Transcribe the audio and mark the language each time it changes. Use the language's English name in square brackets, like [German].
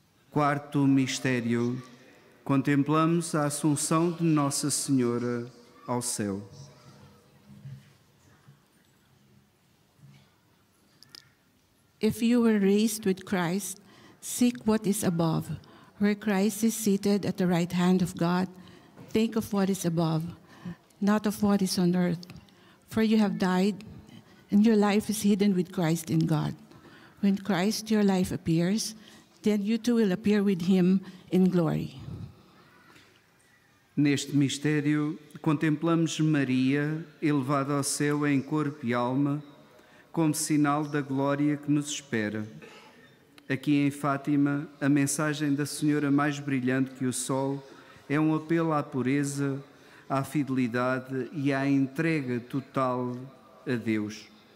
[Portuguese] Quarto mistério. Contemplamos a Assunção de Nossa Senhora ao céu. [English] If you were raised with Christ, seek what is above, where Christ is seated at the right hand of God. Think of what is above, not of what is on earth. For you have died, and your life is hidden with Christ in God. When Christ, your life appears, then you too will appear with him in glory. [Portuguese] Neste mistério, contemplamos Maria elevada ao céu em corpo e alma, como sinal da glória que nos espera. Aqui em Fátima, a mensagem da Senhora mais brilhante que o sol é um apelo à pureza, à fidelidade e à entrega total a Deus.